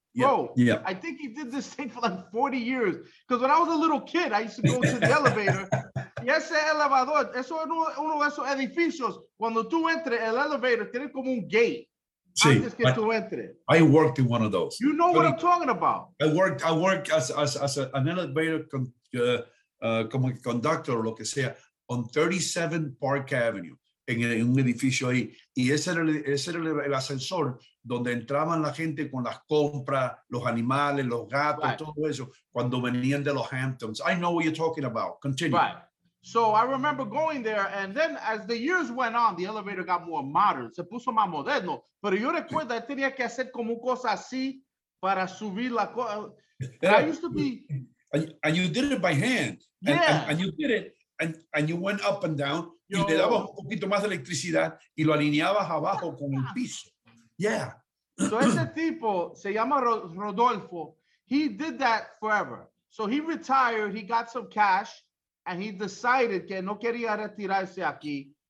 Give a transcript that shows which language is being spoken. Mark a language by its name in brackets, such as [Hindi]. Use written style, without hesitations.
[English] I think he did this thing for like 40 years. Because when I was a little kid, I used to go to the elevator. [Spanish] Y ese elevador, eso es uno de esos edificios. Cuando tú entres, el elevador tiene como un gate. Sí, antes que tú entres. [English] I worked in one of those. You know what I'm talking about. I worked as an elevator conductor [Spanish] o lo que sea [English] on 37 Park Avenue. [Spanish] En un edificio ahí, y ese era el ascensor donde entraban la gente con las compras, los animales, los gatos, right. Todo eso, cuando venían de los Hamptons. [English] I know what you're talking about. Continue. Right. So I remember going there, and then as the years went on, the elevator got more modern, [Spanish] se puso más moderno, pero yo recuerdo que tenía que hacer como cosa así para subir la cosa. [English] I used to be... And you did it by hand. Yeah. And you did it, and you went up and down. [Spanish] Y le dabas un poquito más de electricidad y lo alineabas abajo con el piso. [English] Yeah. So [Spanish] ese tipo se llama Rodolfo. [English] He did that forever. So he retired, he got some cash, and he decided [Spanish] que no quería retirarse aquí.